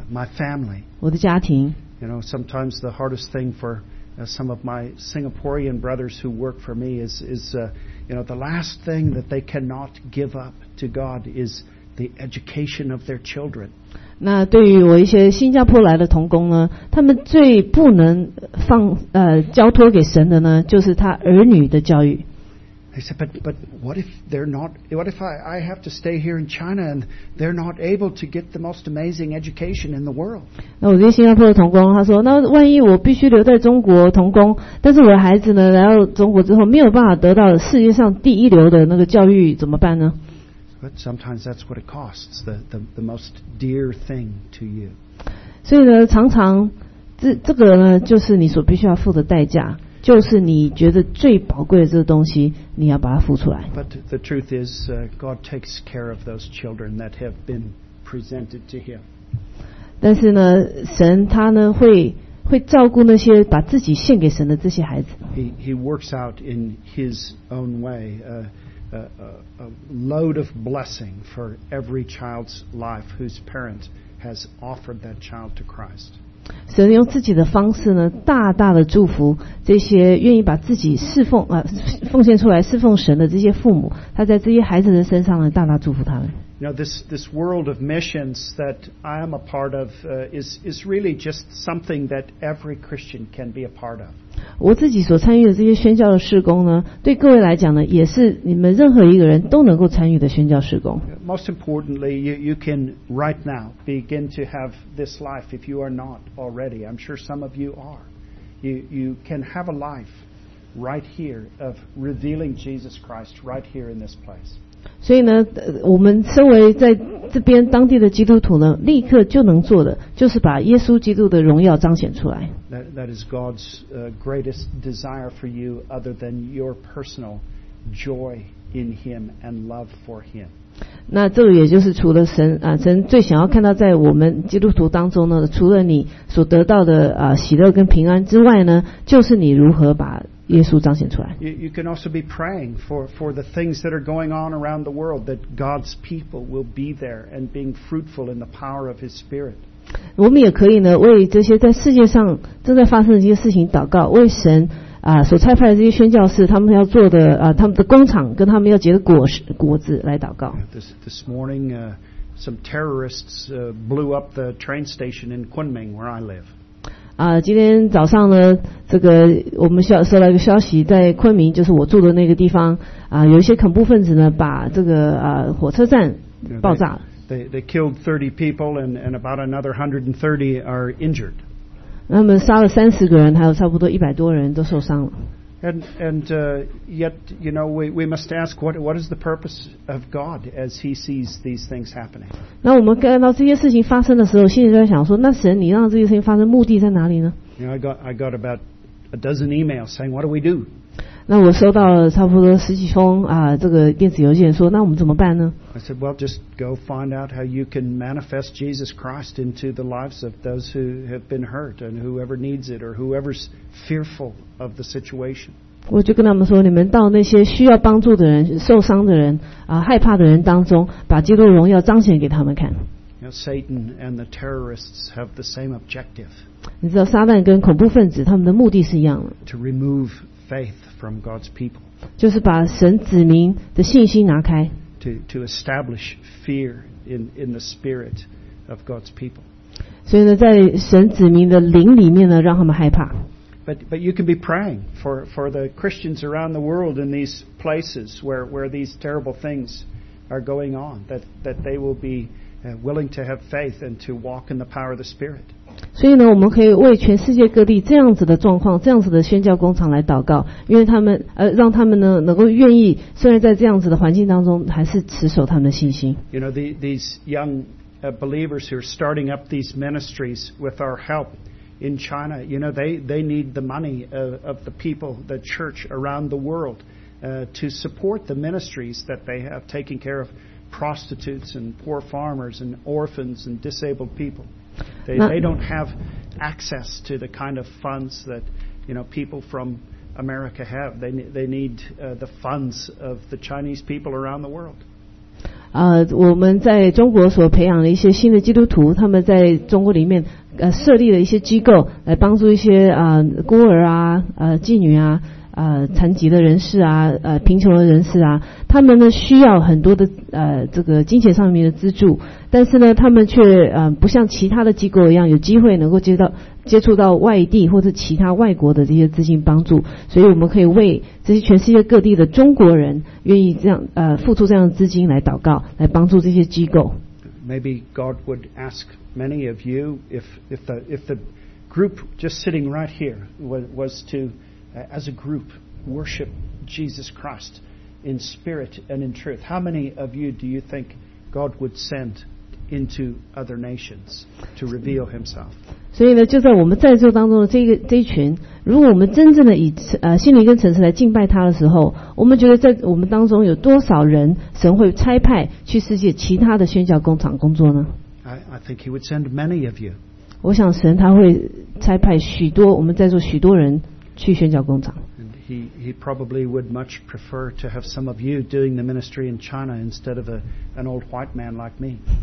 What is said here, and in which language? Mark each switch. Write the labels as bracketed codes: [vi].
[en] My family. [zh] 我的家庭。 [en] You know, sometimes the hardest thing for some of my Singaporean brothers who work for me is the last thing that they cannot give up to God is. The education of their children. [zh] 那对于我一些新加坡来的同工呢，他们最不能交托给神的呢，就是他儿女的教育。 [en] They said, but what if they're not? What if I have to stay here in China and they're not able to get the most amazing education in the world? [zh] 那我这些新加坡的同工，他说，那万一我必须留在中国同工，但是我的孩子呢，来到中国之后没有办法得到世界上第一流的那个教育，怎么办呢？ [en] But sometimes that's what it costs—the most dear thing to you. [zh] 所以呢，常常这个呢就是你所必须要付的代价，就是你觉得最宝贵的这个东西你要把它付出来。 [en] But the truth is, God takes care of those children that have been presented to him. [zh] 但是呢，神他呢会照顾那些把自己献给神的这些孩子。 [en] He works out in his own way a load of blessing for every child's life whose parent has offered that child to Christ. [zh] 神用自己的方式呢，大大的祝福这些愿意把自己侍奉奉献出来侍奉神的这些父母，他在这些孩子的身上呢，大大祝福他们。 [en] You know, this world of missions that I am a part of is really just something that every Christian can be a part of. [zh] 我自己所参与的这些宣教的事工呢，对各位来讲呢，也是你们任何一个人都能够参与的宣教事工。 [en] Most importantly, you can right now begin to have this life if you are not already. I'm sure some of you are. You can have a life right here of revealing Jesus Christ right here in this place. [zh] 所以呢，我们身为在这边当地的基督徒呢，立刻就能做的，就是把耶稣基督的荣耀彰显出来。 [en] That is God's greatest desire for you, other than your personal joy in Him and love for Him. [zh] 那这也就是除了神啊，神最想要看到在我们基督徒当中呢，除了你所得到的啊喜乐跟平安之外呢，就是你如何把。耶稣彰显出来。 [en] You can also be praying for the things that are going on around the world, that God's people will be there and being fruitful in the power of His Spirit. [zh] 我们也可以呢，为这些在世界上正在发生的这些事情祷告，为神啊所差派的这些宣教士，他们要做的啊他们的工厂跟他们要结的果子来祷告。 [en] This morning, some terrorists blew up the train station in Kunming, where I live. [zh] 今天早上呢，这个我们收到一个消息，在昆明，就是我住的那个地方啊，有一些恐怖分子呢，把这个火车站爆炸了。 [en] They killed 30 people and about another 130 are injured. [zh] 他们杀了30个人，还有差不多100多人都受伤了。 [en] And yet, you know, we must ask what is the purpose of God as He sees these things happening. [zh] 那我们看到这些事情发生的时候，心里就在想说，那神，你让这些事情发生，目的在哪里呢？ [en] You know, I got about a dozen emails saying, what do we do? [zh] 那我收到了差不多十几封啊，这个电子邮件说，那我们怎么办呢？ [en] I said, well, just go find out how you can manifest Jesus Christ into the lives of those who have been hurt and whoever needs it or whoever's fearful. Of the situation. [zh] 我就跟他们说，你们到那些需要帮助的人、受伤的人、害怕的人当中，把基督的荣耀彰显给他们看。 [en] You know, Satan and the terrorists have the same objective. [zh] 你知道，撒旦跟恐怖分子他们的目的是一样的。 [en] To remove faith from God's people. [zh] 就是把神子民的信心拿开。 [en] To establish fear in the spirit of God's people. [zh] 所以呢，在神子民的灵里面呢，让他们害怕。 [en] But you can be praying for the Christians around the world in these places where these terrible things are going on, that they will be willing to have faith and to walk in the power of the Spirit. [zh] 所以呢，我们可以为全世界各地这样子的状况、这样子的宣教工厂来祷告，因为他们让他们呢能够愿意，虽然在这样子的环境当中，还是持守他们的信心。 [en] You know, these young believers who are starting up these ministries with our help. In China, you know, they need the money of the people, the church around the world, to support the ministries that they have, taking care of prostitutes and poor farmers and orphans and disabled people. They don't have access to the kind of funds that, you know, people from America have. They need the funds of the Chinese people around the world. [zh] 我们在中国所培养的一些新的基督徒，他们在中国里面设立了一些机构，来帮助一些孤儿啊、妓女啊、残疾的人士啊、贫穷的人士啊，他们呢需要很多的这个金钱上面的资助，但是呢他们却不像其他的机构一样有机会能够接触到外地或者其他外国的这些资金帮助，所以我们可以为这些全世界各地的中国人愿意这样付出这样的资金来祷告，来帮助这些机构。 [en] Maybe God would ask many of you if the group just sitting right here was to as a group worship Jesus Christ in spirit and in truth. How many of you do you think God would send into other nations to reveal himself. [zh] 所以呢, 就在我们在座当中的 这一群, 如果我们真正的以, 心灵跟诚实来敬拜他的时候, 我们觉得在我们当中有多少人, 神会差派去世界其他的宣教工厂工作呢? [en] I think he would send many of you. [zh] 我想神他会差派许多, 我们在座许多人去宣教工厂。 [en] He probably would much prefer to have some of you doing the ministry in China instead of an old white man like me.